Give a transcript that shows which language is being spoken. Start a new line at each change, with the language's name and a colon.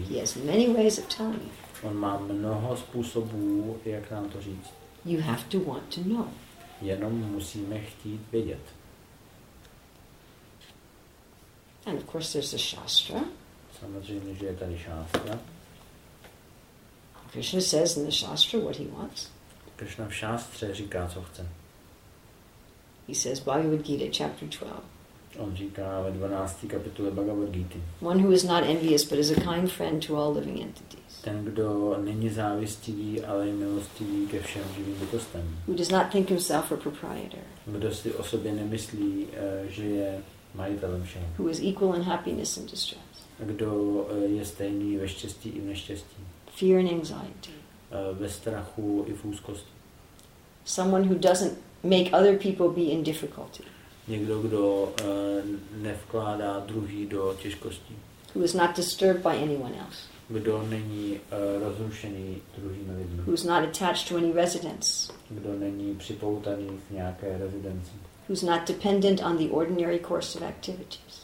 English: He has many ways of telling you.
Czech: On má mnoho způsobů, jak nám to říct.
English: You have to want to know.
Czech: Jenom musíme chtít vědět.
English: And of course there's a shastra.
Czech: Samozřejmě, že je tady šástra.
English: Krishna says in the shastra what he wants.
Czech: Krishna v šástře říká, co chce.
English: He says Bhagavad Gita chapter 12.
Czech: On říká ve 12. kapitole Bhagavad Gita.
English: One who is not envious but is a kind friend to all living entities.
Czech: Ten, kdo není závistivý, ale je milostivý ke všem živým bytostem.
English: Who does not think himself a proprietor.
Czech: Kdo si o sobě nemyslí, že je majitelem všeho.
English: Who is equal in happiness and distress.
Czech: Kdo je stejný ve štěstí i v neštěstí.
English: Fear and anxiety.
Czech: Ve strachu i v úzkosti.
English: Someone who doesn't make other people be in difficulty.
Czech: Někdo, kdo nevkládá druhý do těžkostí.
English: Who is not disturbed by anyone else.
Czech: Kdo není rozrušený druhými lidmi.
English: Who's not attached to any residence.
Czech: Kdo není připoutaný k nějaké rezidenci.
English: Who's not dependent on the ordinary course of activities.